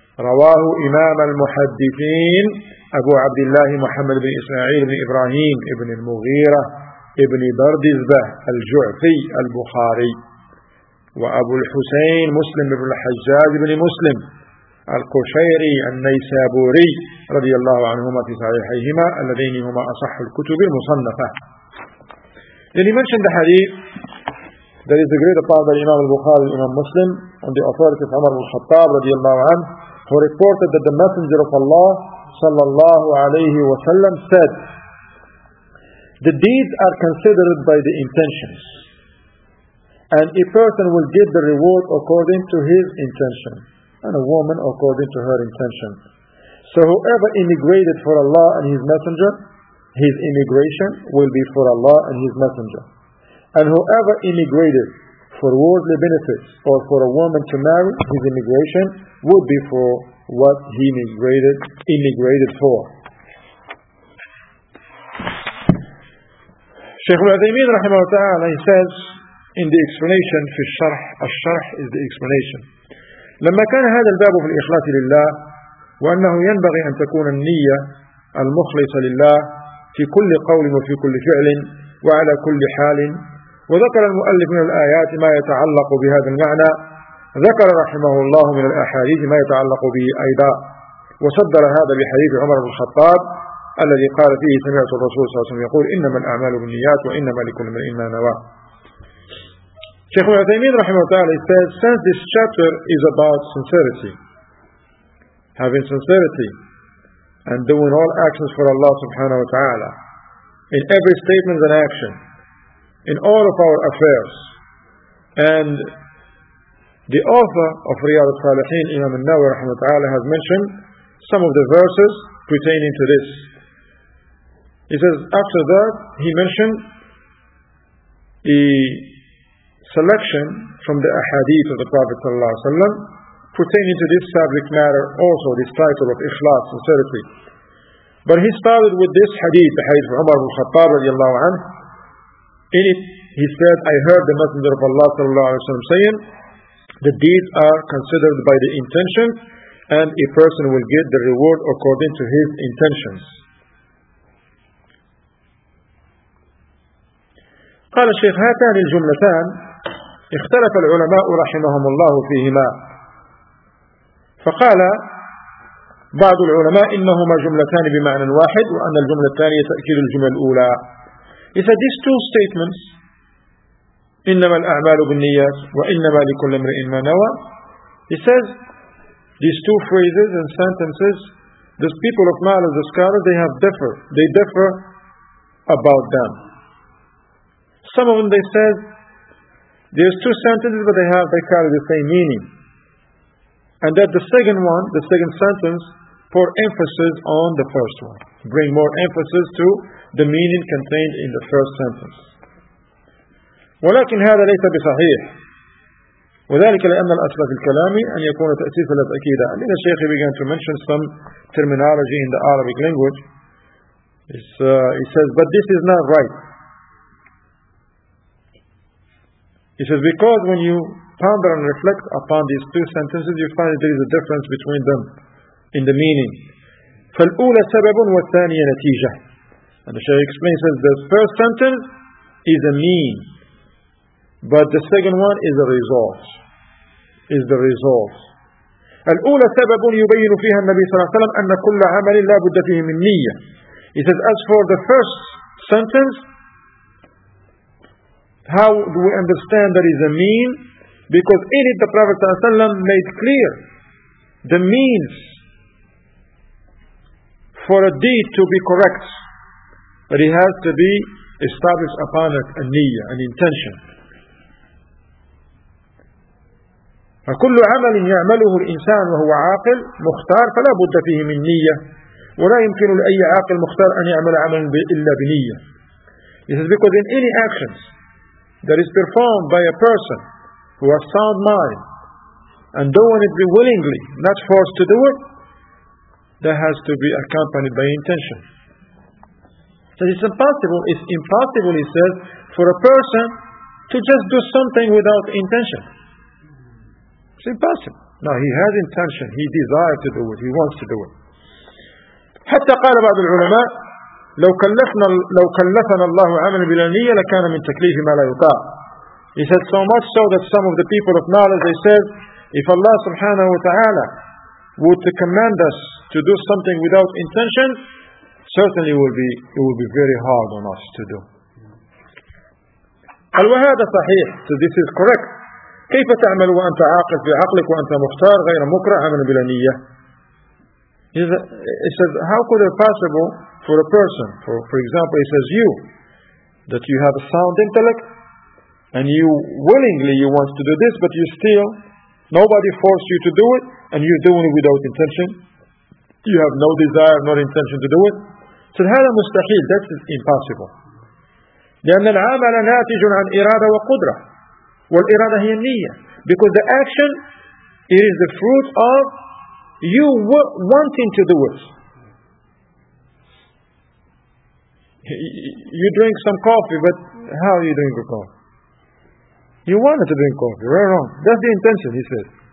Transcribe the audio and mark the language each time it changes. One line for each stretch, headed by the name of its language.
Arabic: رواه إمام المحدثين أبو عبد الله محمد بن إسماعيل بن إبراهيم ابن المغيرة ابن بردزبة الجعفي البخاري وأبو الحسين مسلم بن الحجاج بن مسلم القشيري النيسابوري رضي الله عنهما في صحيحيهما اللذين هما أصح الكتب المصنفة.
English: Then he mentioned the hadith that is agreed upon by Imam al-Bukhari, Imam Muslim, on the authority of Umar al-Khattab radiyallahu anhu, who reported that the Messenger of Allah sallallahu alayhi wa sallam said, the deeds are considered by the intentions, and a person will get the reward according to his intention, and a woman according to her intention. So whoever immigrated for Allah and his Messenger, his immigration will be for Allah and his Messenger. And whoever immigrated for worldly benefits or for a woman to marry, his immigration would be for what he immigrated for. Shaykh Al-Uthaymeen rahimahu ta'ala, he says in the explanation,
Arabic: في الشرح, الشرح
English: is the explanation.
Arabic: لما كان هذا الباب في الإخلاص لله وأنه ينبغي أن تكون النية المخلصة لله في كل قول وفي كل فعل وعلى كل حال وذكر المؤلف من الآيات ما يتعلق بهذا المعنى ذكر رحمه الله من الأحاديث ما يتعلق به أيضا وصدر هذا بحديث عمر بن الخطاب الذي قال فيه سمعت الرسول صلى الله عليه وسلم يقول إنما الأعمال بالنيات وإنما لكل امرئ ما نوى. شيخ العثيمين رحمه الله تعالى
English: since this chapter is about sincerity, having sincerity and doing all actions for Allah subhanahu wa ta'ala in every statement and action, in all of our affairs. And the author of Riyad al-Salihin, Imam al-Nawawi rahimahu ta'ala, has mentioned some of the verses pertaining to this. He says, after that, he mentioned the selection from the ahadith of the Prophet sallallahu alayhi wa sallam pertaining to this subject matter, also this title of ikhlas, sincerity. But he started with this hadith, the hadith of Umar ibn al-Khattab radiallahu anhu. In it, he said, I heard the Messenger of Allah sallallahu alayhi wa sallam saying, the deeds are considered by the intention, and a person will get the reward according to his intentions.
Arabic: قال الشيخ هاتان الجملتان اختلف العلماء رحمهم الله فيهما فقال بعض العلماء إنهما جملتان بمعنى واحد وأن الجملة الثانية تأكيد الجملة الأولى.
English: He said these two statements,
Arabic: إنما الأعمال بالنيات وإنما لكل امرئ ما نوى.
English: He says these two phrases and sentences, the people of Ma'al and the scholars, they differ about them. Some of them they said there's two sentences, but they carry the same meaning. And that the second sentence, pour emphasis on the first one, bring more emphasis to the meaning contained in the first sentence.
Arabic: ولكن هذا ليس بصحيح. وذلك لأن الأسباب الكلامي أن يكون تأسيس للتأكيد.
English: And then the Sheikh began to mention some terminology in the Arabic language. He says, but this is not right. He says, because when you ponder and reflect upon these two sentences, you find that there is a difference between them in the meaning.
Arabic: فالأولى سبب والثانية نتيجة.
English: And the Sheikh explains that the first sentence is a mean, but the second one is a result. Is the result.
Arabic: الأولى سبب يبين فيها النبي صلى الله عليه وسلم أن كل عمل لا بد فيه من نية.
English: He says, as for the first sentence, how do we understand that is a mean? Because in it the Prophet ﷺ made clear the means for a deed to be correct, but it has to be established upon it, a niyyah, an intention.
Arabic: فكل عمل يعمله الإنسان وهو عاقل مختار فلا بد فيه من نية ولا يمكن لأي عاقل مختار أن يعمل عملا إلا بنية.
English: It is because in any actions that is performed by a person who has sound mind and doing it willingly, not forced to do it, that has to be accompanied by intention. So it's impossible, he says, for a person to just do something without intention. It's impossible. No, he has intention, he desires to do it, he wants to do it.
Arabic: حتى قال بعض العلماء لو كلفنا الله عملا بلا نية لكان من تكليف ما لا يطاع.
English: He said so much so that some of the people of knowledge, they said, if Allah subhanahu wa ta'ala would command us to do something without intention, certainly it will be very hard on us to do.
Arabic: قال وهذا صحيح.
English: So this is correct.
Arabic: كيف تعمل وأنت عاقل في عقلك وأنت مختار غير مكره عملا بلا نية.
English: He says, how could it possible for a person, for example, he says, you, that you have a sound intellect, and you willingly, you want to do this, but you still, nobody forced you to do it, and you're doing it without intention. You have no desire, no intention to do it. So,
Arabic: هذا مستحيل,
English: that is impossible.
Arabic: لأن العمل ناتج عن إرادة وقدرة. والإرادة هي النية.
English: Because the action, it is the fruit of you wanting to do it. You drink some coffee, but how you drink a coffee? You wanted to drink coffee, right or wrong? That's the intention, he said.